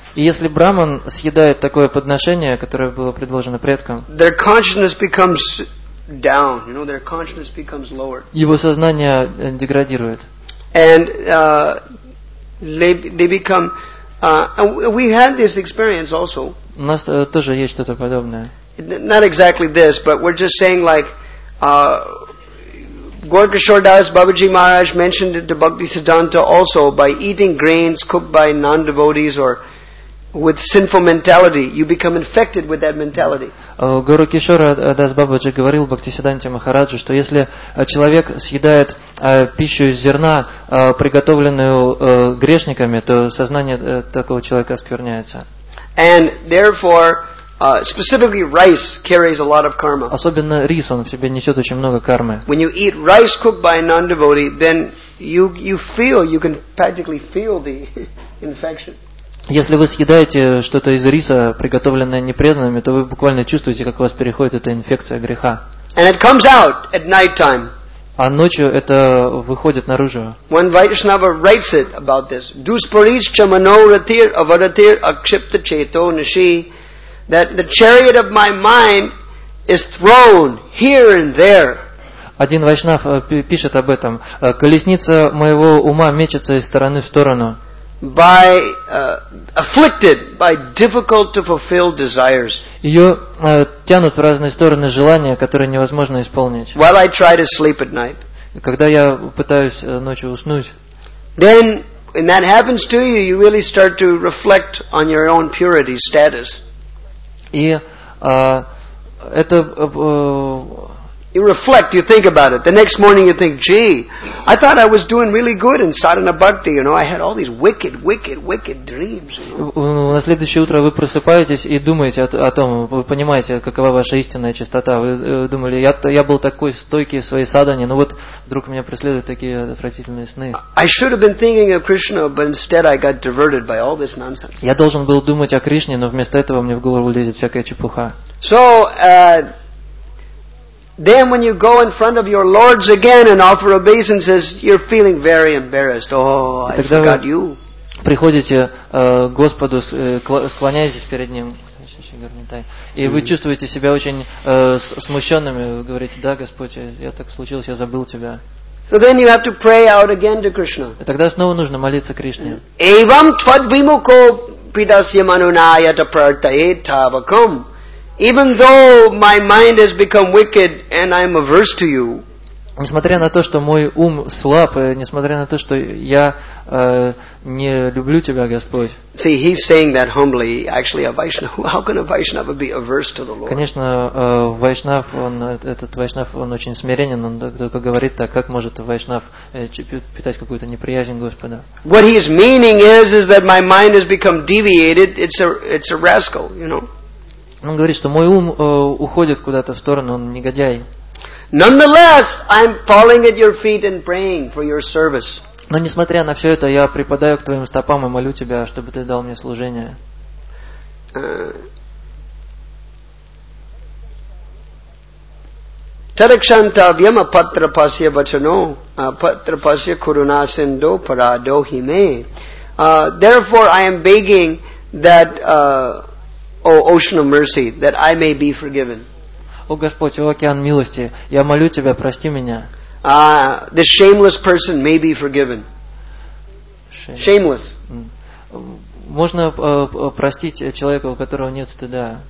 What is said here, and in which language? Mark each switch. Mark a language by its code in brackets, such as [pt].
[ru] и если Брахман съедает такое подношение, которое было предложено предкам, [en] their consciousness becomes down, you know, their consciousness becomes lower. [ru] Его сознание деградирует. [en] And they become we had this experience also. [ru] У нас тоже есть что-то подобное. [en] Not exactly this, but we're just saying like Gaur Kishore Das Babaji Maharaj mentioned it to Bhakti Siddhanta also, by eating grains cooked by non-devotees or with sinful mentality, you become infected with that mentality. [ru] Гуру Кишора Дас Бабаджи говорил Бхактисиддханте Махараджу, что если человек съедает пищу из зерна, приготовленную грешниками, то сознание такого человека оскверняется. [en] And therefore, specifically rice carries a lot of karma. [ru] Особенно рис, он в себе несет очень много кармы. [en] When you eat rice cooked by a non-devotee, then you feel, you can practically feel the infection. [ru] Если вы съедаете что-то из риса, приготовленное непреданными, то вы буквально чувствуете, как у вас переходит эта инфекция греха. [en] And it comes out at night time. [ru] А ночью это выходит наружу. [en] One Vaishnava writes it about this. [sa] Duspariccha manoratir avaratir akshipta cheto nishi, [en] that the chariot of my mind is thrown here and there. [ru] Один Вайшнав пишет об этом. Колесница моего ума мечется из стороны в сторону. [en] By afflicted by difficult to fulfill desires. [ru] Ее тянут в разные стороны желания, которые невозможно исполнить. [en] While I try to sleep at night. [ru] Когда я пытаюсь ночью уснуть. [en] Then, when that happens to you, you really start to reflect on your own purity status. [ru] И это. [en] You reflect, you think about it. The next morning you think, gee, I thought I was doing really good in sadhana bhakti, you know, I had all these wicked, wicked, wicked dreams. [ru] На следующее утро вы просыпаетесь и думаете о том, вы понимаете, какова ваша истинная чистота. Вы думали, я был такой стойкий в своей садхане, но вот вдруг меня преследуют такие отвратительные сны. [en] I should have been thinking of Krishna, but instead I got diverted by all this nonsense. [ru] Я должен был думать о Кришне, но вместо этого мне в голову лезет всякая чепуха. [en] So, then when you go in front of your lords again and offer obeisances, you're feeling very embarrassed. Oh, I forgot you. [ru] Приходите к Господу, склоняетесь перед Ним, и вы чувствуете себя очень смущенными. Вы говорите, да, Господь, я так случилось, я забыл Тебя. [en] So then you have to pray out again to Krishna. [ru] И тогда снова нужно молиться Кришне. [sa] Evam tvad vimukho pidasya manunaya tapartaye tavakum. [en] Even though my mind has become wicked and I am averse to you, [ru] несмотря на то, что мой ум слаб, несмотря на то, что я не люблю тебя, Господь. [en] See, he's saying that humbly. Actually, a Vaishnava, how can a Vaishnava be averse to the Lord? [ru] Конечно, Вайшнав, этот Вайшнав, он очень смиренен, он только говорит так, как может Вайшнав питать какую-то неприязнь Господа? [en] What he is meaning is that my mind has become deviated. It's a rascal, you know. [ru] Он говорит, что мой ум уходит куда-то в сторону, он негодяй. [en] Nonetheless, I'm falling at your feet and praying for your service. [ru] Но несмотря на все это, я припадаю к твоим стопам и молю тебя, чтобы ты дал мне служение. [sa] Tarakshantavyam patrapasya vachano, patrapasya kurunasindo paradohime. [en] Therefore, I am begging that, O ocean of mercy, that I may be forgiven. [ru] О Господь, о океан милости, я молю тебя, прости меня. [en] The shameless person may be forgiven. Shameless. [ru] Можно простить человека, у которого нет стыда.